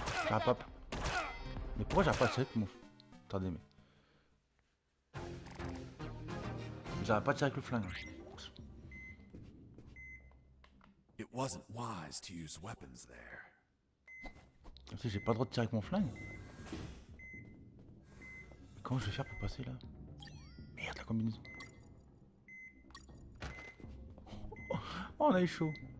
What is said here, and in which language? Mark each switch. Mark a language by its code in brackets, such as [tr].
[fr] Ah, pop. Mais pourquoi j'arrive pas à tirer avec mon... Attendez, mais... J'arrive pas à tirer avec le flingue. [en] It wasn't wise to use weapons there. [fr] Si j'ai pas le droit de tirer avec mon flingue. Mais comment je vais faire pour passer là? Merde, la combinaison. Oh, on a eu chaud.